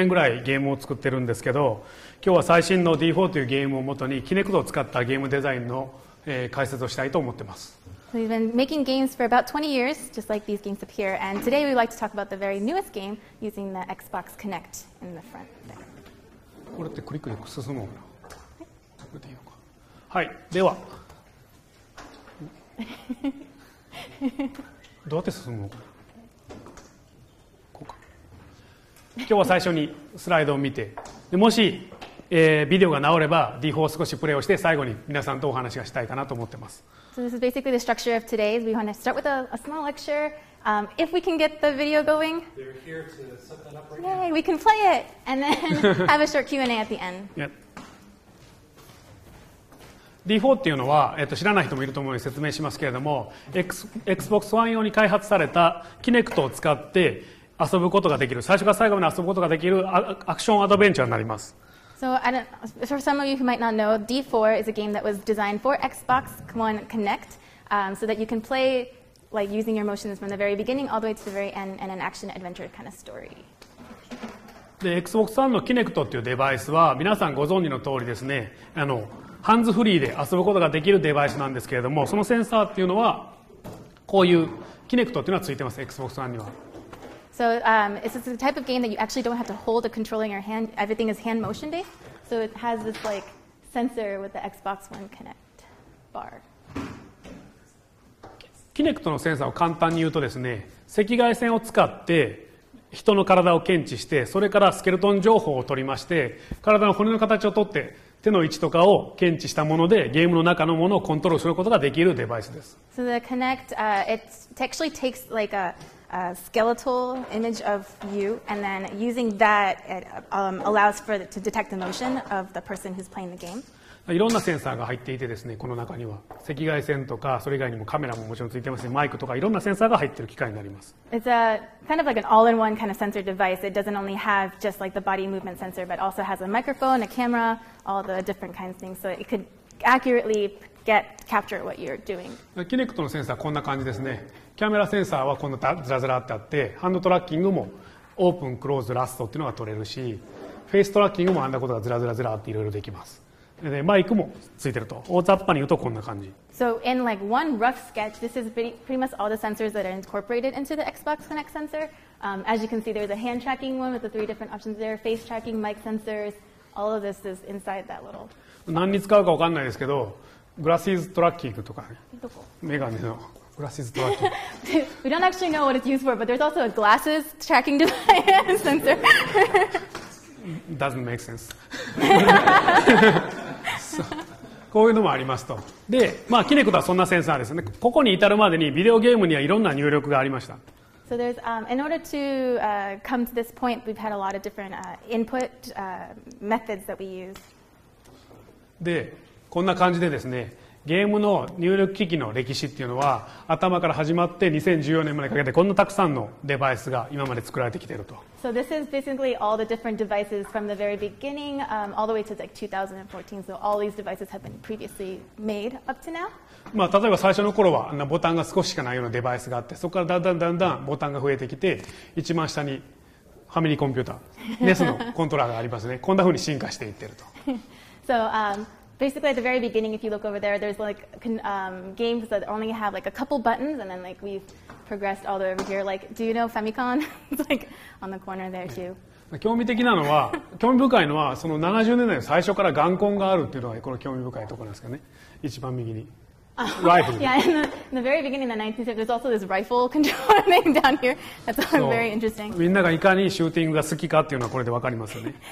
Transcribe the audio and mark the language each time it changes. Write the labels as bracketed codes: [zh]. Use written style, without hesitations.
[ja] はい。ありがとうございます。こんな感じでですね、20年ぐらいゲームを作ってるんですけど、今日は最新の D4 というゲームをもとに Kinect を使ったゲームデザインの解説をしたいと思ってます。So [en] we've been making games for about 20 years, just like these games up here, and today we'd like to talk about the very newest game using the Xbox Kinect in the front there. [ja] これってクリックで進むのかな。はい、では。どうやって進むのか。こうか。今日は最初にスライドを見て、もしビデオが直れば D4 を少しプレイをして最後に皆さんとお話がしたいかなと思ってます。 [en] So this is basically the structure of today. We want to start with a small lecture, If we can get the video going. They're here to set that up right Yay, now. Yay, we can play it and then have a short Q&A at the end. Yep. [ja] D4 っていうのは、知らない人もいると思うので説明しますけれども、Xbox One 用に開発された Kinect を使って遊ぶことができる、最初から最後まで遊ぶことができるアクションアドベンチャーになります。 [en] So, for some of you who might not know, D4 is a game that was designed for Xbox One Kinect, so that you can play like, using your motions from the very beginning all the way to the very end in an action adventure kind of story. [ja] で、Xbox One の Kinect っていうデバイスは、皆さんご存知の通りですね、ハンズフリーで遊ぶことができるデバイスなんですけれども、そのセンサーっていうのは、こういう、Kinect っていうのはついてます、Xbox One には。 [en] So, it's the type of game that you actually don't have to hold a controller in your hand. Everything is hand motion based. So, it has this, like, sensor with the Xbox One Kinect bar. [ja] Kinect のセンサーを簡単に言うとですね、赤外線を使って、人の体を検知して、それからスケルトン情報を取りまして、体の骨の形を取って、手の位置とかを検知したもので、ゲームの中のものをコントロールすることができるデバイスです。 [en] So the Kinect, it actually takes like a skeletal image of you, and then using that, it allows for to detect the motion of the person who's playing the game. [ja] いろんなセンサーが入っていてですね、この中には赤外線とか、それ以外にもカメラももちろんついてますし、マイクとかいろんなセンサーが入っている機械になります。 [en] It's a kind of like an all-in-one kind of sensor device. It doesn't only have just like the body movement sensor, but also has a microphone, a camera, all the different kinds of things. So it could accurately get capture what you're doing. [ja] Kinect のセンサーはこんな感じですね。カメラセンサーはこんなずらずらってあって、ハンドトラッキングもオープン、クローズ、ラストっていうのが取れるし、フェイストラッキングもあんなことがずらずらずらっていろいろできます。でマイクもついてると大雑把に言うとこんな感じ。 [en] So in like one rough sketch, this is pretty much all the sensors that are incorporated into the Xbox Kinect sensor. As you can see, there's a hand tracking one with the three different options there, face tracking, mic sensors. All of this is inside that little. [ja] 何に使うか分かんないですけど、グラシーズトラッキングとかね。どこ？メガネのグラシーズトラッキング。 [en] We don't actually know what it's used for, but there's also a glasses tracking device and sensor. Doesn't make sense. [ja] こういうのもありますと。で、まあ、キネクトはそんなセンサーですね。ここに至るまでにビデオゲームにはいろんな入力がありました。 [en] So there's, in order to, come to this point, we've had a lot of different, input, methods that we use. [ja] で、こんな感じでですね、ゲームの入力機器の歴史っていうのは、頭から始まって2014年までかけてこんなたくさんのデバイスが今まで作られてきていると。 [en] So this is basically all the different devices from the very beginning, all the way to like 2014. So all these devices have been previously made up to now. [ja] まあ、例えば最初の頃はボタンが少ししかないようなデバイスがあって、そこからだんだんだんだんボタンが増えてきて、一番下にファミリーコンピューター、NES のコントローラーがありますね。こんな風に進化していっていると。 [en] So, basically, at the very beginning, if you look over there, there's like games that only have like a couple buttons, and then like we've progressed all the way over here. Like, do you know Famicom? It's like on the corner there too. [ja] 興味的なのは、興味深いのはその70年代の最初からガンコンがあるっていうのはこの興味深いところですかね。一番右に。Rifle. [en] Yeah, in the very beginning of the 1970s, there's also this rifle control thing down here. That's all very interesting. [ja] みんながいかにシューティングが好きかっていうのはこれでわかりますよね。